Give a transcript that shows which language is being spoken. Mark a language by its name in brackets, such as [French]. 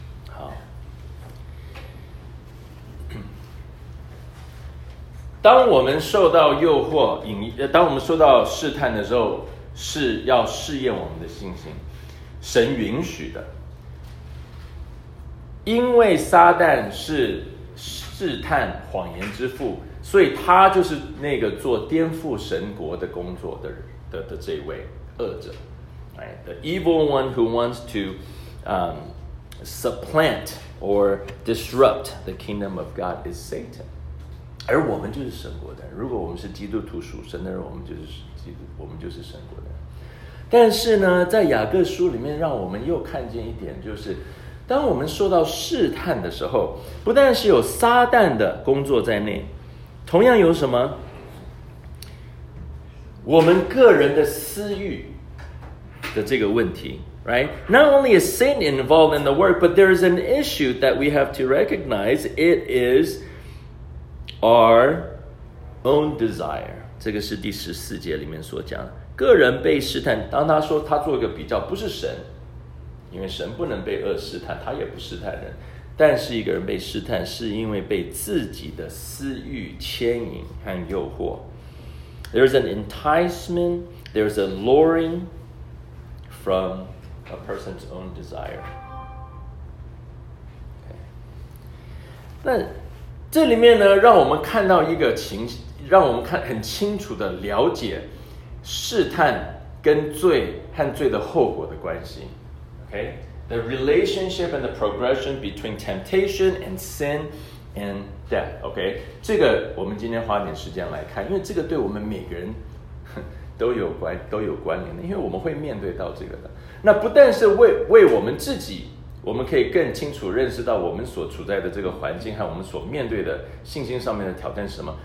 [Chinese] 好，当我们受到诱惑，当我们受到试探的时候，是要试验我们的信心，神允许的。因为撒旦是试探谎言之父，所以他就是那个做颠覆神国的工作 的这位恶者。 [English] Right? The evil one who wants to supplant or disrupt the kingdom of God is Satan. [Chinese] 而我们就是神国的人。如果我们是基督徒属神的人，我们就是基督，我们就是神国的人。但是呢，在雅各书里面，让我们又看见一点，就是当我们受到试探的时候，不但是有撒旦的工作在内，同样有什么？我们个人的私欲的这个问题。 [English] Right? Not only is sin involved in the work, but there is an issue that we have to recognize. It is our own desire. [Chinese] 这个是第十四节里面所讲的。个人被试探，当他说他做一个比较，不是神，因为神不能被恶试探，他也不试探人。但是一个人被试探，是因为被自己的私欲牵引和诱惑。 [English] There is an enticement, there is a luring from a person's own desire. Okay. [Chinese] 那这里面呢，让我们看到一个情，让我们看很清楚的了解试探跟罪和罪的后果的关系。 [English] Okay, the relationship and the progression between temptation and sin and death. [Chinese] Okay, 这个我们今天花点时间来看，因为这个对我们每个人都有关联的，因为我们会面对到这个的。那不但是 为我们自己，我们可以更清楚认识到我们所处在的这个环境和我们所面对的信心上面的挑战是什么。